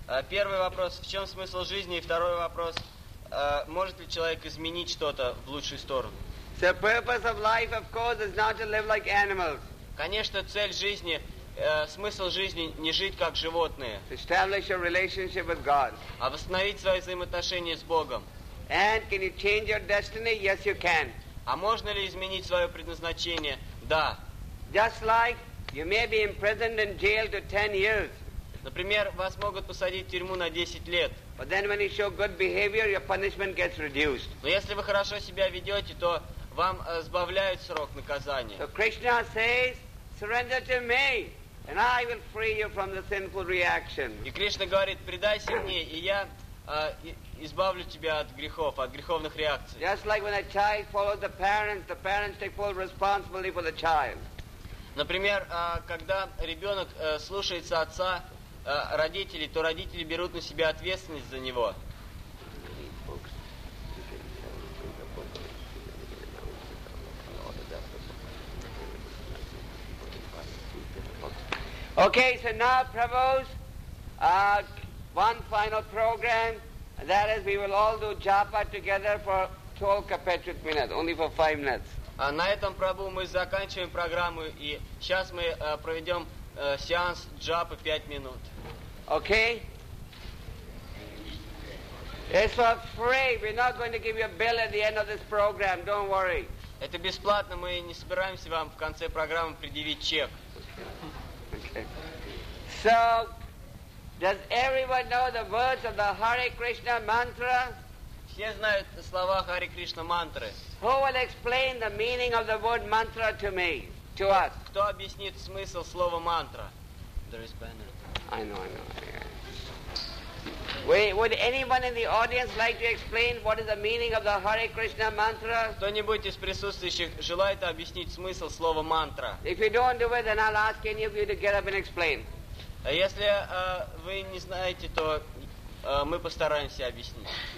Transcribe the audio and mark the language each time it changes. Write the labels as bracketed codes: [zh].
[ru] Первый вопрос, в чем смысл жизни? И второй вопрос, может ли человек изменить что-то в лучшую сторону? [en] The purpose of life, of course, is not to live like animals. [ru] Конечно, цель жизни, смысл жизни не жить как животные. [en] Establish your relationship with God. [ru] А восстановить свои взаимоотношения с Богом. [en] And can you change your destiny? Yes, you can. [ru] А можно ли изменить свое предназначение? Да. [en] Just like you may be imprisoned in jail to 10 years. [ru] Например, вас могут посадить в тюрьму на 10 лет. [en] But then, when you show good behavior, your punishment gets reduced. [ru] Но если вы хорошо себя ведете, то вам сбавляют срок наказания. [en] So Krishna says, surrender to me, and I will free you from the sinful reaction. [ru] И Кришна говорит, предайся мне, и я избавлю тебя от грехов, от греховных реакций. [en] Just like when a child follows the parents take full responsibility for the child. [ru] Например, когда ребенок слушается отца, родителей, то родители берут на себя ответственность за него. [en] Okay, so now, Prabhupada, one final program, that is, we will all do japa together for 12 perpetual minutes, only for 5 minutes. [ru] На этом, Прабу, мы заканчиваем программу, и сейчас мы проведем сеанс джапы 5 минут. [en] Okay. It's for free. We're not going to give you a bill at the end of this program. Don't worry. [ru] Это бесплатно. Мы не собираемся вам в конце программы предъявить чек. [en] Okay. So, does everyone know the words of the Hare Krishna mantra? [ru] Все знают слова Хари Кришна мантры. [en] Who will explain the meaning of the word mantra to me, to us? [ru] Кто объяснит смысл слова мантра? [en] There is banner. I know. Yeah. Would anyone in the audience like to explain what is the meaning of the Hare Krishna mantra? [ru] Кто-нибудь из присутствующих желает объяснить смысл слова мантра? [en] If you don't do it, then I'll ask any of you to get up and explain. [ru] А если вы не знаете, то мы постараемся объяснить.